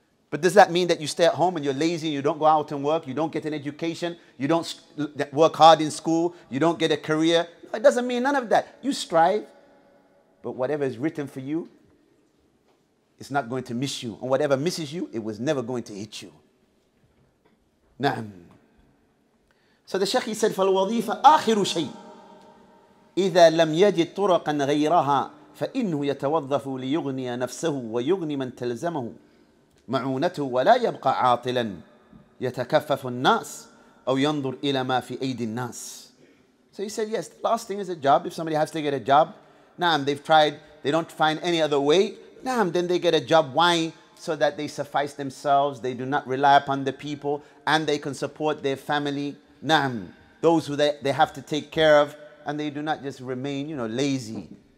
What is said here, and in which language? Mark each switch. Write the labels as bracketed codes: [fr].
[en] But does that mean that you stay at home and you're lazy, you don't go out and work, you don't get an education, you don't work hard in school, you don't get a career? No, it doesn't mean none of that. You strive, but whatever is written for you, it's not going to miss you. And whatever misses you, it was never going to hit you. [ar] Naam. [en] So the Shaykh, he said, [ar] فَالْوَظِيفَ آخِرُ شَيْءٍ إِذَا لَمْ يَجِدْ طُرَقًا غَيْرَهَا فَإِنْهُ يَتَوَظَّفُ لِيُغْنِيَ نَفْسَهُ وَيُغْنِي مَنْ تَلْزَمَهُ مَعُونَتُهُ وَلَا يَبْقَى عَاطِلًا يَتَكَفَّفُ النَّاسُ أَوْ يَنْظُرْ إِلَى مَا فِي أَيْدِ النَّاسِ. [en] So he said, yes, the last thing is a job. If somebody has to get a job, naam, they've tried, they don't find any other way, naam, then they get a job. Why? So that they suffice themselves, they do not rely upon the people, and they can support their family. Naam, those who they have to take care of, and they do not just remain, you know, lazy.